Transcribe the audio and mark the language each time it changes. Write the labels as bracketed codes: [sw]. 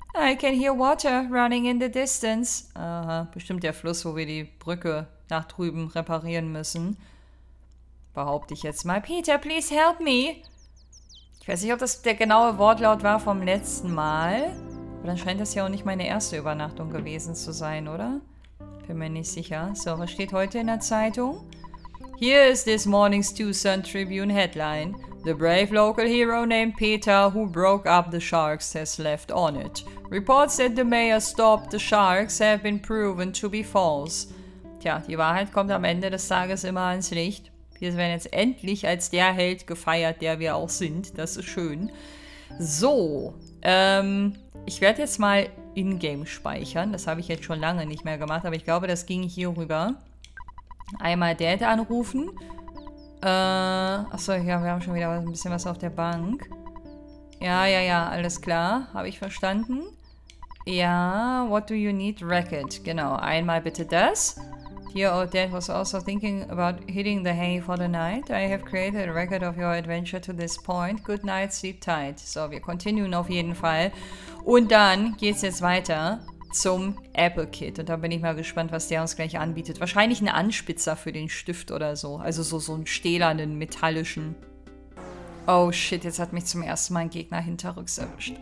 [en] I can hear water running in the distance. [de] Aha, bestimmt der Fluss, wo wir die Brücke nach drüben reparieren müssen. Behaupte ich jetzt mal. Peter, [en] please help me! [de] Ich weiß nicht, ob das der genaue Wortlaut war vom letzten Mal. Aber dann scheint das ja auch nicht meine erste Übernachtung gewesen zu sein, oder? Bin mir nicht sicher. So, was steht heute in der Zeitung? [en] Here is this morning's Tucson Tribune headline. The brave local hero named Peter, who broke up the sharks, has left on it. Reports that the mayor stopped the sharks have been proven to be false. [de] Tja, die Wahrheit kommt am Ende des Tages immer ans Licht. Wir werden jetzt endlich als der Held gefeiert, der wir auch sind. Das ist schön. So, ich werde jetzt mal in-game speichern. Das habe ich jetzt schon lange nicht mehr gemacht, aber ich glaube, das ging hier rüber. Einmal Dad anrufen. Achso, ja, wir haben schon wieder ein bisschen was auf der Bank. Ja, alles klar. Habe ich verstanden. Ja, [en] what do you need? [de] Racket. Genau, einmal bitte das. [en] Dear old dad was also thinking about hitting the hay for the night. I have created a record of your adventure to this point. Good night, sleep tight. [de] So, wir continuen auf jeden Fall. Und dann geht's jetzt weiter zum Apple Kit. Und da bin ich mal gespannt, was der uns gleich anbietet. Wahrscheinlich ein Anspitzer für den Stift oder so. Also so einen stählernen, metallischen. Oh shit, jetzt hat mich zum ersten Mal ein Gegner hinterrücks erwischt.